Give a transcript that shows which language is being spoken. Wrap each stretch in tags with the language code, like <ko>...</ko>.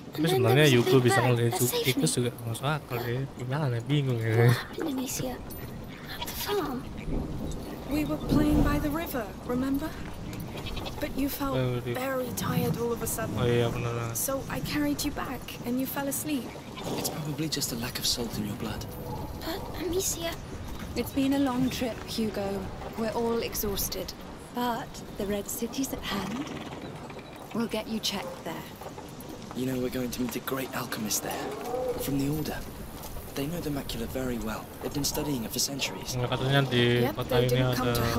<id>Tapi sebenarnya Hugo bisa ngeliat tikus juga gak masuk akal ya. Gimana nih, bingung ya.</id> <en>What happened, Amicia? At the farm? We were playing by the river, remember? But you felt very tired all of a sudden.</en> <id>Oh iya benar.</id> <en>So I carried you back and you fell asleep. It's probably just a lack of salt in your blood. But Amicia, it's been a long trip, Hugo. We're all exhausted. But the Red City's at hand. We'll get you checked there. You know we're going to meet a great alchemist there from the order. They know the macula very well. They've been studying it for centuries.</en> <id>Nggak, katanya di kota ini ada</id>